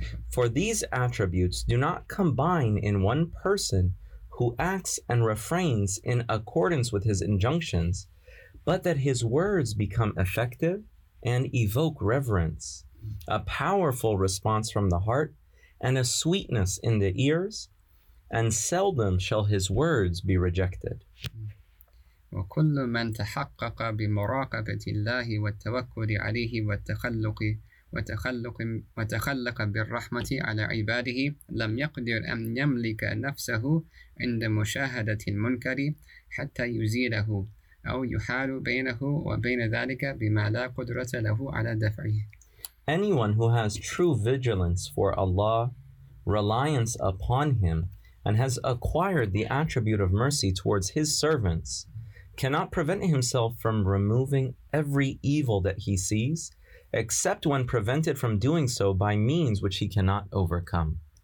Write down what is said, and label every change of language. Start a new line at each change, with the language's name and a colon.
English: For these attributes do not combine in one person who acts and refrains in accordance with his injunctions, but that his words become effective and evoke reverence, a powerful response from the heart, and a sweetness in the ears, and seldom shall his words be rejected.
Arabic: وكل من تحقق بمراقبة الله والتوكل عليه والتخلق وتخلق وتخلق بالرحمة على عباده لم يقدر أن يملك نفسه عند مشاهدة المنكر حتى يزيله أو يحال بينه وبين ذلك بما لا قدرة له على دفعه.
English: Anyone who has true vigilance for Allah, reliance upon Him, and has acquired the attribute of mercy towards His servants cannot prevent himself from removing every evil that he sees, except when prevented from doing so by means which he cannot overcome.